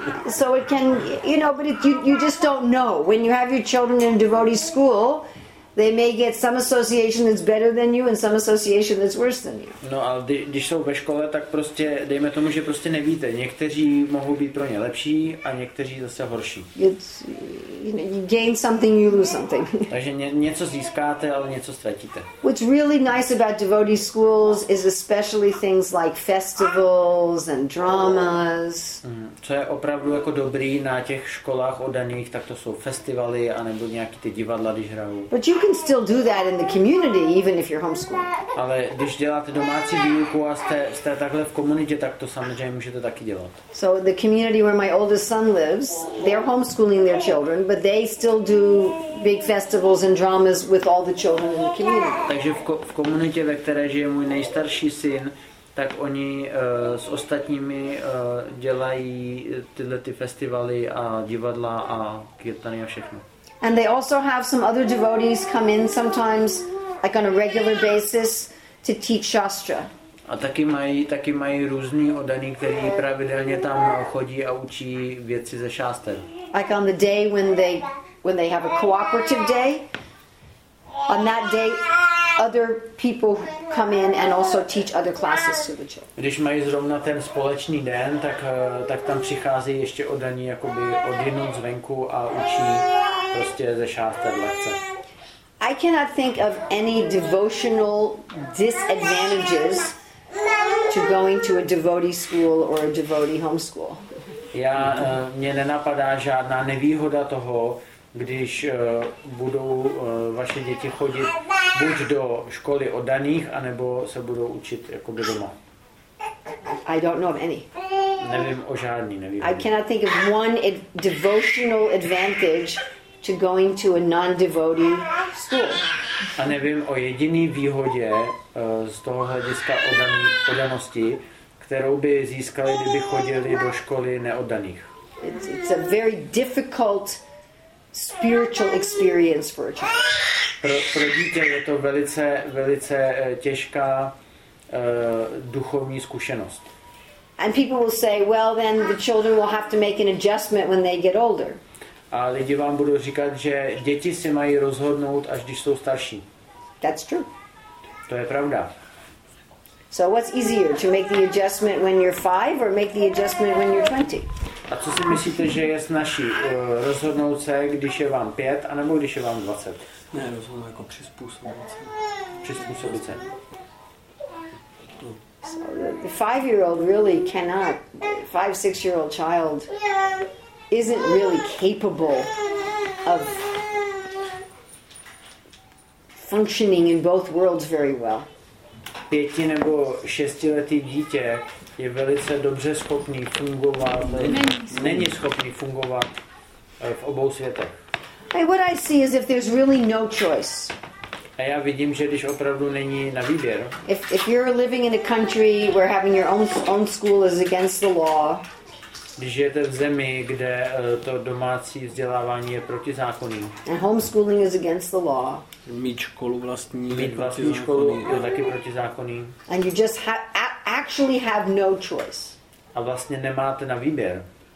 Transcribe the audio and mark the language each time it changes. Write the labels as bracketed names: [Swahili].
[English] So it can, you know, but you just don't know when you have your children in a devotee school. They may get some association that's better than you and some association that's worse than you. [Czech] No, ale když jsou ve škole, tak prostě dejme tomu, že prostě nevíte. Někteří mohou být pro ně lepší a někteří zase horší. [English] You gain something, you lose something. [Czech] Takže něco získáte, ale něco ztratíte. [English] What's really nice about devotee schools is especially things like festivals and dramas. [Czech] Co je opravdu jako dobrý na těch školách oddaných, tak to jsou festivaly a nebo nějaký ty divadla, když hrajou. [English] You can still do that in the community even if you're homeschooled. [Czech] Ale když děláte domácí výuku a jste takhle v komunitě, tak to samozřejmě můžete taky dělat. [English] So the community where my oldest son lives, they're homeschooling their children, but they still do big festivals and dramas with all the children in the community. [Czech] Takže v komunitě, ve které žije můj nejstarší syn, tak oni s ostatními dělají tyhle ty festivaly a divadla a kirtany a všechno. [English] And they also have some other devotees come in sometimes, like on a regular basis, to teach shastra. [Czech] A taky mají různý oddaný, kteří pravidelně tam chodí a učí věci ze šáster. [English] Like on the day when they have a cooperative day, on that day other people come in and also teach other classes to the children. [Czech] Když mají zrovna ten společný den, tak tam přichází ještě oddaní jakoby odjinud zvenku a učí prostě ze šáster lekce. [English] I cannot think of any devotional disadvantages to going to a devotee school or a devotee home school. [Czech] Já mě nenapadá žádná nevýhoda toho, když budou vaše děti chodit buď do školy oddaných, anebo se budou učit jako by doma. [English] I don't know of any. [Czech] Nevím o žádný, nevýhodě. [English] I cannot think of one devotional advantage to going to a non-devotee school. [Czech] A nevím o jediný výhodě z toho hlediska oddanosti, kterou by získali, kdyby chodili do školy neoddaných. [English] It's a very difficult spiritual experience for a child. [Czech] Pro dítě je to velice, velice těžká duchovní zkušenost. [English] And people will say, well, then the children will have to make an adjustment when they get older. [Czech] A lidi vám budou říkat, že děti si mají rozhodnout, až když jsou starší. [English] That's true. [Czech] To je pravda. [English] So what's easier, to make the adjustment when you're 5 or make the adjustment when you're 20? [Czech] A co si myslíte, že je snazší, rozhodnout se, když je vám 5, anebo když je vám 20? Ne, rozhodnout jako přizpůsobit se. Přizpůsobit se. [English] the 5-year-old really cannot, 5-6-year-old child isn't really capable of functioning in both worlds very well. [Czech] 5- nebo 6-leté dítě je velice dobře schopný fungovat, není schopný fungovat v obou světech. [English] And what I see is if there's really no choice. [Czech] A já vidím, že když opravdu není na výběr. [English] If you're living in a country where having your own school is against the law. [Czech] Když žijete v zemi, kde to domácí vzdělávání je protizákonný. [English] And homeschooling is against the law. [Czech] Mít školu vlastní, mít vlastní školu je taky protizákonný. [English] And you just actually have no choice. [Czech] A vlastně nemáte na výběr.